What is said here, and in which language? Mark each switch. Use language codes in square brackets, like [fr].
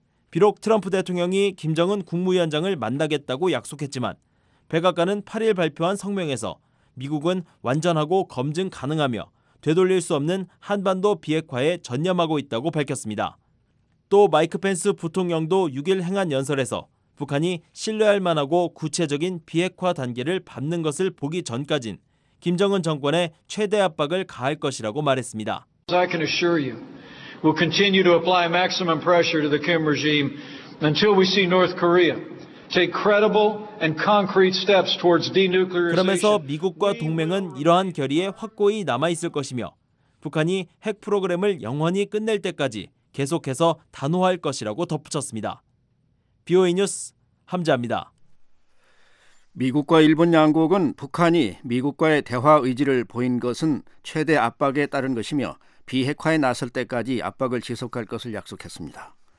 [ko] 비록 트럼프 대통령이 김정은 국무위원장을 만나겠다고 약속했지만 백악관은 8일 발표한 성명에서 미국은 완전하고 검증 가능하며 되돌릴 수 없는 한반도 비핵화에 전념하고 있다고 밝혔습니다. 또 마이크 펜스 부통령도 6일 행안 연설에서 북한이 신뢰할 만하고 구체적인 비핵화 단계를 밟는 것을 보기 전까진 김정은 정권에 최대 압박을 가할 것이라고 말했습니다. [en] I can assure you, we'll continue to apply maximum pressure to the Kim regime until we see North Korea take credible and concrete steps towards denuclearization. [ko] 그러면서 미국과 동맹은 이러한 결의에 확고히 남아 있을 것이며 북한이 핵 프로그램을 영원히 끝낼 때까지 계속해서 단호할 것이라고 덧붙였습니다. BOA 뉴스 함재합니다. 미국과 일본 양국은 북한이 미국과의 대화 의지를 보인 것은 최대 압박에 따른 것이며 비핵화에 나설 때까지 압박을 지속할 것을 약속했습니다.